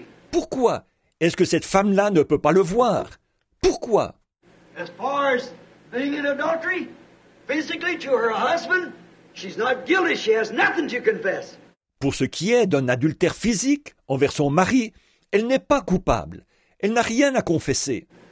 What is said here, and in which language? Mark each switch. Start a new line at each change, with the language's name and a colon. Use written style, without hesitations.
French: Pourquoi est-ce que cette femme-là ne peut pas le voir? Pourquoi?
English: As far as being in adultery, physically to her husband, she's not guilty, she has nothing to confess.
French: Pour ce qui est d'un adultère physique envers son mari, elle n'est pas coupable. Elle n'a rien à confesser.